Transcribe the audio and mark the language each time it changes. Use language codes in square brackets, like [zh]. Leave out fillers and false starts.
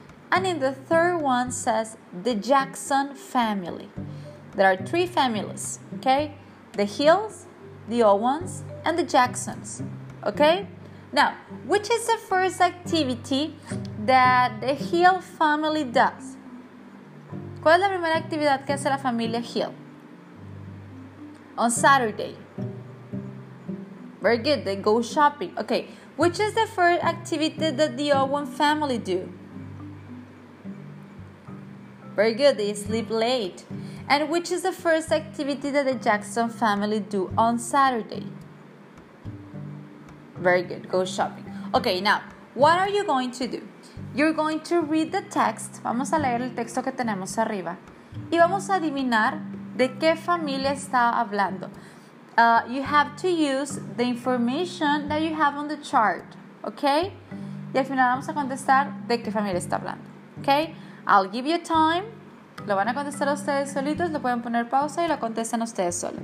[en] And in the third one says the Jackson family. There are 3 families, okay? The Hills, the Owens, and the Jacksons, okay? Now, which is the first activity that the Hill family does? [es] ¿Cuál es la primera actividad que hace la familia Hill? [en] On Saturday. Very good, they go shopping. Okay, which is the first activity that the Owen family do? Very good, they sleep late. And which is the first activity that the Jackson family do on Saturday? Very good, go shopping. Okay, now, what are you going to do? You're going to read the text. [es] Vamos a leer el texto que tenemos arriba. Y vamos a adivinar de qué familia está hablando. [en] You have to use the information that you have on the chart, okay? [es] Y al final vamos a contestar de qué familia está hablando, okay? [en] I'll give you time. [es] Lo van a contestar ustedes solitos. Lo pueden poner pausa y lo contestan ustedes solos.